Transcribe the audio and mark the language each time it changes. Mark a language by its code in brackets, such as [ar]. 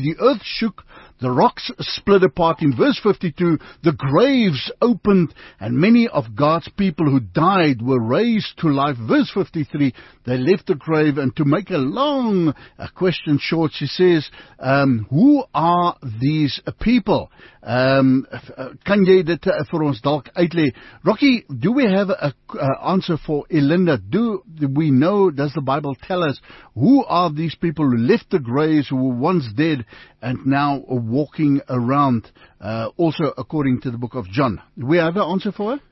[en] The earth shook, the rocks split apart. In verse 52, the graves opened, and many of God's people who died were raised to life. Verse 53, they left the grave. And to make a question short, she says, who are these people? [af] Kan jy dit vir ons dalk uitlê? [en] Rocky, do we have an answer for Elinda? Do we know, does the Bible tell us, who are these people who left the graves, who were once dead, and now walking around, also according to the book of John? Do we have an answer for her?